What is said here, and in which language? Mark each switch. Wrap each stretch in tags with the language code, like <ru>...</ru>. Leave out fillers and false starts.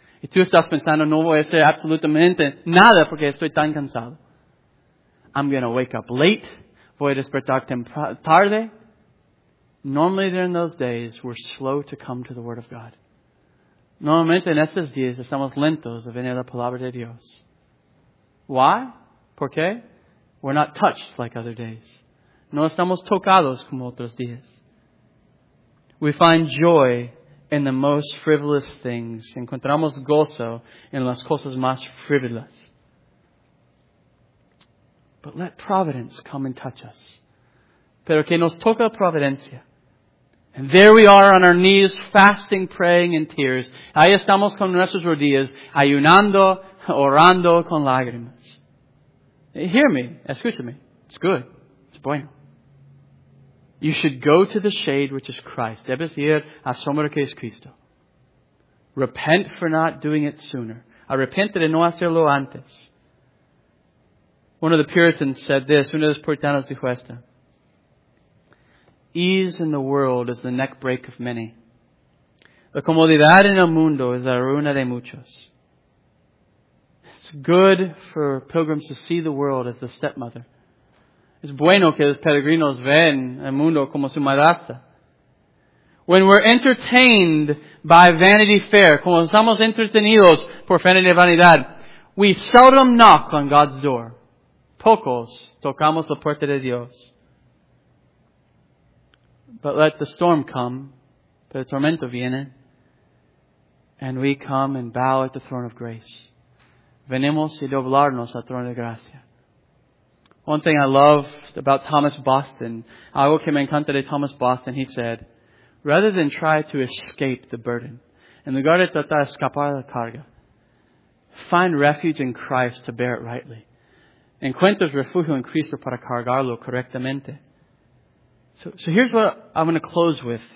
<es>Y tú estás pensando, no voy a hacer absolutamente nada porque estoy tan cansado.</es> <en>I'm going to wake up late.</en> <es>Voy a despertar tarde.</es> <en>Normally during those days, we're slow to come to the Word of God.</en> <es>Normalmente en estos días estamos lentos a venir a la palabra de Dios.</es> <en>Why?</en> <es>¿Por qué?</es> <en>We're not touched like other days.</en> <es>No estamos tocados como otros días.</es> <en>We find joy in the most frivolous things.</en> <es>Encontramos gozo en las cosas más frívolas.</es> <en>But let providence come and touch us.</en> <es>Pero que nos toca providencia.</es> <en>And there we are on our knees, fasting, praying, and tears.</en> <es>Ahí estamos con nuestras rodillas, ayunando, orando con lágrimas.</es> <en>Hear me.</en> <es>Escúchame.</es> <en>It's good. It's bueno. You should go to the shade which is Christ.</en> <es>Debes ir a sombra que es Cristo.</es> <en>Repent for not doing it sooner.</en> <es>Arrepente de no hacerlo antes.</es> <en>One of the Puritans said this.</en> <es>Uno de los puritanos dijo esto.</es> <en>Ease in the world is the neck break of many.</en> <es>La comodidad en el mundo es la ruina de muchos.</es> <en>It's good for pilgrims to see the world as the stepmother.</en> <es>Es bueno que los peregrinos ven el mundo como su madrastra.</es> <en>When we're entertained by Vanity Fair,</en> <es>como estamos entretenidos por vanidad,</es> <en>we seldom knock on God's door.</en> <es>Pocos tocamos la puerta de Dios.</es> <en>But let the storm come, but the</en> <es>tormento viene,</es> <en>and we come and bow at the throne of grace.</en> <es>Venimos y doblarnos al trono de gracia.</es> <en>One thing I love about Thomas Boston,</en> <es>algo que me encanta de Thomas Boston,</es> <en>he said, rather than try to escape the burden,</en> <es>en lugar de tratar de escapar la carga,</es> <en>find refuge in Christ to bear it rightly.</en> <es>Encuentras refugio en Cristo para cargarlo correctamente.</es> <en>So here's what I'm going to close with.</en>